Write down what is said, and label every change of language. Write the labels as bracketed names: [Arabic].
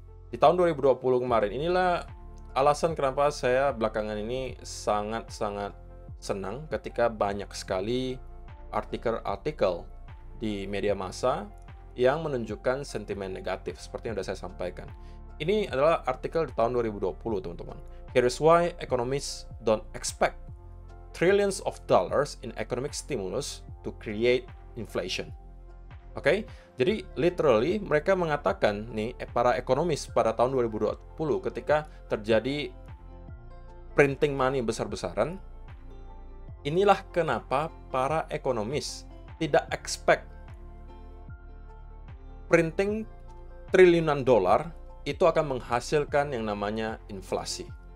[Indonesian] Di tahun 2020 kemarin, inilah alasan kenapa saya belakangan ini sangat-sangat senang ketika banyak sekali artikel-artikel di media massa yang menunjukkan sentimen negatif seperti yang sudah saya sampaikan. Ini adalah artikel di tahun 2020, teman-teman. [English] Here is why economists don't expect trillions of dollars in economic stimulus to create inflation. [Indonesian] Oke, jadi literally mereka mengatakan nih para ekonomis pada tahun 2020 ketika terjadi printing money besar-besaran, inilah kenapa para ekonomis tidak expect printing triliunan dolar itu akan menghasilkan yang namanya inflasi.